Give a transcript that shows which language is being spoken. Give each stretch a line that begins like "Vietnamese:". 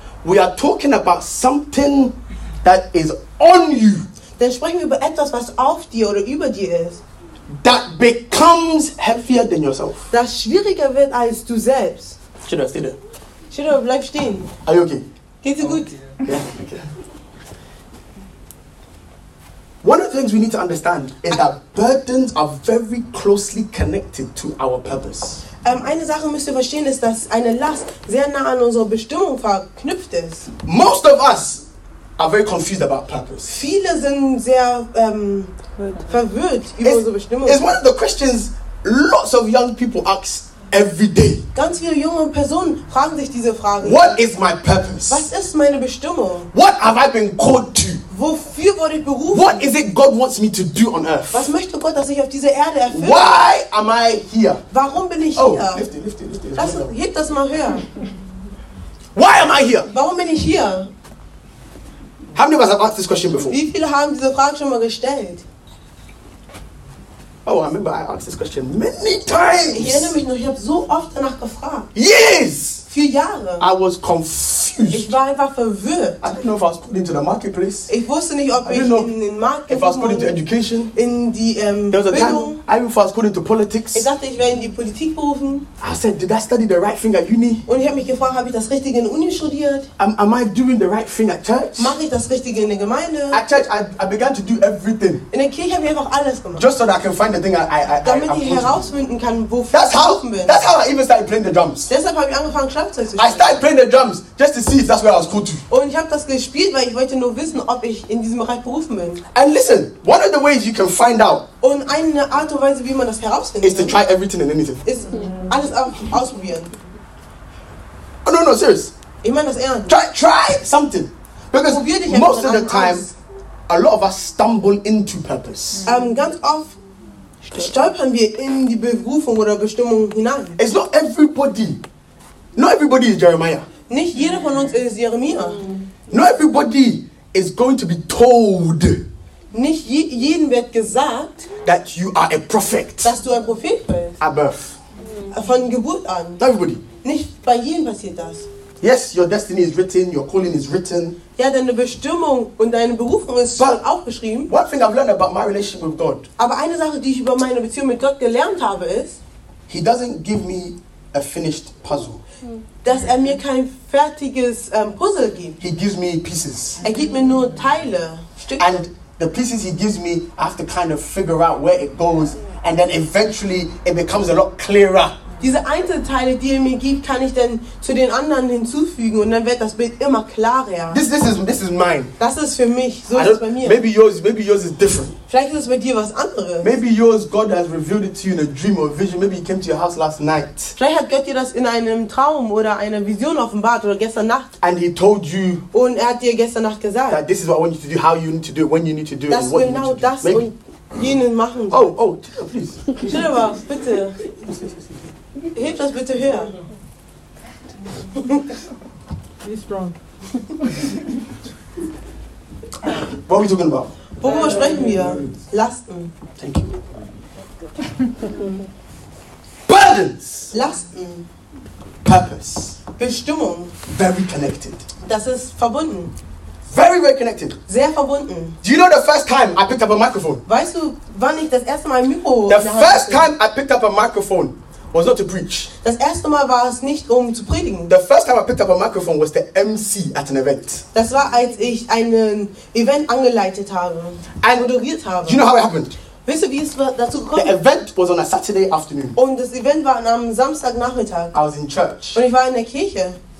English: we are talking about something that is on you.
German: Dann sprechen wir über etwas, was auf dir oder über dir ist.
English: That becomes heavier than yourself.
German: Das schwieriger wird als du selbst.
English: Chido, stay there.
German: Chido, bleib stehen.
English: Are you okay?
German: Geht's dir gut?
English: Okay. One of the things we need to understand is that burdens are very closely connected to our purpose.
German: Eine Sache müsst ihr verstehen ist, dass eine Last sehr nah an unsere Bestimmung verknüpft ist.
English: Most of us are very confused about purpose.
German: Viele sind sehr verwirrt über unsere Bestimmung.
English: It's one of the questions lots of young people ask every day.
German: Ganz viele junge Personen fragen sich diese Frage.
English: What is my purpose?
German: Was ist meine Bestimmung?
English: What have I been called to?
German: Wofür wurde ich berufen?
English: What is it God wants me to do on earth?
German: Was möchte Gott, dass ich auf dieser Erde erfülle?
English: Why am I here?
German: Warum bin ich hier?
English: Oh, lift it.
German: Heb das mal höher.
English: Why am I here?
German: Warum bin ich hier?
English: How many of us have asked this question before?
German: Wie viele haben diese Frage schon mal gestellt?
English: Oh, I remember I asked this question many times.
German: Ich erinnere mich noch, ich habe so oft danach gefragt.
English: Yes!
German: Für Jahre.
English: I was confused.
German: Ich war einfach verwirrt.
English: I didn't know if I was put into the marketplace.
German: Ich wusste nicht, ob ich in den Markt
English: if I was put into education.
German: In die
English: there was a
German: Bildung.
English: Time, I even thought I was put into politics.
German: Ich dachte, ich wäre in die Politik berufen.
English: I said, did I study the right thing at uni?
German: Und ich habe mich gefragt, habe ich das Richtige in der Uni studiert?
English: Am I doing the right thing at church?
German: Mache ich das Richtige in der Gemeinde?
English: At church, I began to do everything.
German: In der Kirche habe ich einfach alles gemacht.
English: Just so that I can find the thing I
German: damit
English: I
German: ich herausfinden kann, wofür ich berufen bin.
English: That's how I even started playing the drums.
German: Deshalb habe ich angefangen,
English: I started playing the drums just to see if that's where I was called to.
German: Und ich habe das gespielt, weil ich wollte nur wissen, ob ich in diesem Bereich berufen bin.
English: And listen, one of the ways you can find out.
German: Und eine Art und Weise, wie man das herausfindet.
English: Is to try everything and anything.
German: Ist alles ausprobieren.
English: Oh, no, serious.
German: Ich meine das ernst.
English: Try something. Because most of the time, a lot of us stumble into purpose.
German: Ganz oft stolpern wir in die Berufung oder Bestimmung hinein.
English: It's not everybody. Not everybody is Jeremiah.
German: Nicht jeder von uns ist Jeremia.
English: Not everybody is going to be told.
German: Nicht jeden wird gesagt,
English: that you are a prophet.
German: Dass du ein Prophet bist.
English: At birth.
German: Von Geburt an.
English: Not everybody.
German: Nicht bei jedem passiert das.
English: Yes, your destiny is written, your calling is written.
German: Ja, deine Bestimmung und deine Berufung ist schon aufgeschrieben.
English: One thing I've learned about my relationship with God.
German: Aber eine Sache, die ich über meine Beziehung mit Gott gelernt habe, ist,
English: He doesn't give me a finished puzzle.
German: Dass er mir kein fertiges Puzzle gibt.
English: He gives me pieces.
German: Er gibt mir nur Teile, Stücke.
English: And the pieces he gives me, I have to kind of figure out where it goes, and then eventually it becomes a lot clearer.
German: Diese Einzelteile, die er mir gibt, kann ich dann zu den anderen hinzufügen und dann wird das Bild immer klarer.
English: This is mine.
German: Das ist für mich, so ist es bei mir.
English: Maybe yours is different.
German: Vielleicht ist es bei dir was anderes.
English: Maybe yours, God has revealed it to you in a dream or a vision. Maybe he came to your house last night.
German: Vielleicht hat Gott dir das in einem Traum oder einer Vision offenbart oder gestern Nacht.
English: And he told you.
German: Und er hat dir gestern Nacht gesagt.
English: That this is what I want you to do, how you need to do it, when you need to do it, and what you need to do.
German: Das genau das. ihnen machen
English: soll. Oh, oh, Tina, please.
German: Tina, bitte. Heb das bitte höher.
English: Be strong. What are we talking about?
German: Worüber sprechen wir? Lasten.
English: Thank you. Burdens.
German: Lasten.
English: Purpose.
German: Bestimmung.
English: Very connected.
German: Das ist verbunden.
English: Very, very connected.
German: Sehr verbunden.
English: Do you know the first time I picked up a microphone?
German: Weißt du, wann ich das erste Mal ein Mikro hatte?
English: The first time I picked up a microphone was not to preach.
German: Das erste Mal war es nicht, um zu predigen.
English: The first time I picked up a microphone was the MC at an event.
German: Das war, als ich einen Event angeleitet habe, and moderiert habe.
English: Do you know how it happened?
German: Weißt du, wie es dazu gekommen?
English: The event was on a Saturday afternoon.
German: Und das Event war am Samstagnachmittag.
English: I was in church.
German: Und ich war in der Kirche.